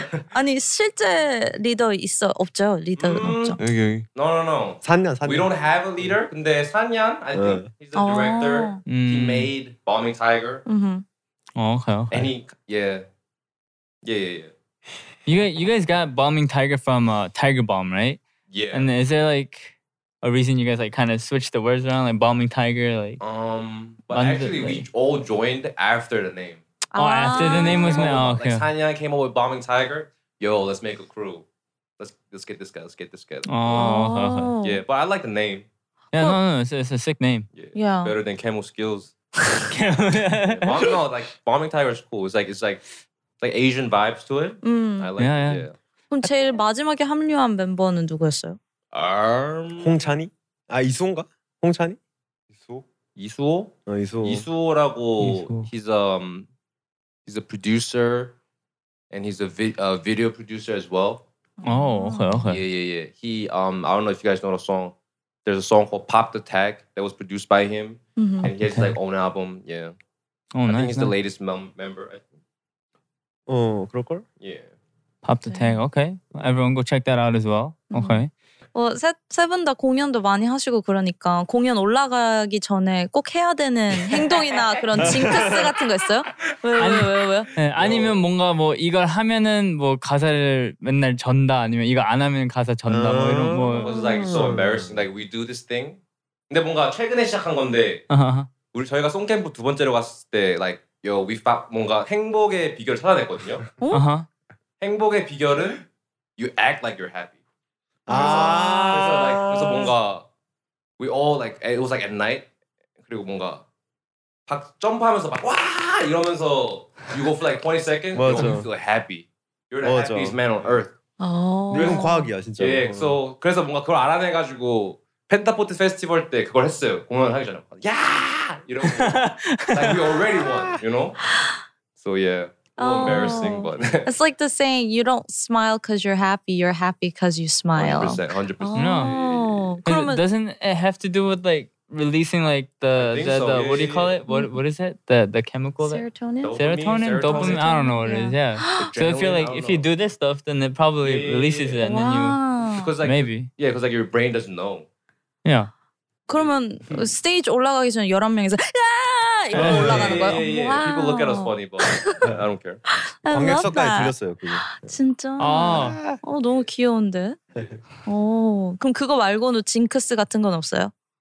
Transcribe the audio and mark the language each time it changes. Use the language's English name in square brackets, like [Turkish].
[Korean] 아니 실제 리더 있어 없죠? 리더 없죠? 여기. [English] No. [Korean] 산년. [English] We don't have a leader. [Korean] 근데 [English] 산년, I think he's the director. He made Bombing Tiger. Okay. And he, yeah, Yeah. You guys got Bombing Tiger from Tiger Bomb, right? Yeah. And is there like a reason you guys like kind of switched the words around, like Bombing Tiger, like? We all joined after the name. After the name was made. Okay. Like Sanya came up with Bombing Tiger. Yo, let's make a crew. Let's get this guy. Oh. Yeah, but I like the name. Yeah, cool. No. It's a sick name. Yeah. Better than Camel Skills. Bombing Tiger is cool. It's like Asian vibes to it. I like it. Yeah. [Korean] 그럼 제일 마지막에 합류한 멤버는 누구였어요? 홍찬이? 아, 이수호인가? 홍찬이? 이수호? 어, 이수호. 이수호라고 이수호. [English] He's a producer and he's a video producer as well. Oh, okay. Yeah. He I don't know if you guys know the song. There's a song called Pop the Tag that was produced by him. Mm-hmm. And he has his like own album. Yeah. I think he's the latest member, I think. [Korean] Oh, 그럴 걸? [English] Yeah. Pop the Tag. Okay. Everyone go check that out as well. Mm-hmm. Okay. [Korean] 뭐 세 분 다 공연도 많이 하시고 그러니까 공연 올라가기 전에 꼭 해야 되는 행동이나 그런 징크스 같은 거 있어요? 왜요? 네, 아니면 뭔가 뭐 이걸 하면은 뭐 가사를 맨날 전다 아니면 이거 안 하면 가사 전다 뭐 이런 거. [English] It was like so embarrassing. Like we do this thing. [Korean] 근데 뭔가 최근에 시작한 건데 우리 저희가 송캠프 두 번째로 갔을 때 [English] like yo we found [Korean] 뭔가 행복의 비결 찾아냈거든요. 행복의 비결은 [English] you act like you're happy. [Korean] 그래서 뭔가 [English] we all like it was like at night [Korean] 그리고 뭔가 막 점프하면서 막 와 이러면서 [English] you go for like 20 seconds you don't feel happy you're the [Korean] 맞아. [English] happiest man on earth [Korean] 이건 과학이야 진짜 [English] yeah, so [Korean] 그래서 뭔가 그걸 알아내가지고 펜타포트 페스티벌 때 그걸 했어요 공연 하기 전에 야 이런 [English] like we already won you know so yeah embarrassing, but it's like the saying: you don't smile because you're happy; you're happy because you smile. 100%. No. Yeah. Doesn't it have to do with like releasing like the what is it? The chemical serotonin. I don't know what it is. Yeah. So if you're like, if you do this stuff, then it probably releases it, and then you because like your brain doesn't know. Yeah. [Korean] 그러면 스테이지 올라가기 전에 11명이서 야! 이거 올라가는 거야? [English] People look at us funny, but I don't care. [Korean] 관객석까지 들렸어요, 그게. 진짜? 아. 어, 너무 귀여운데? 오, 그럼 그거 말고는 징크스 같은 건 없어요?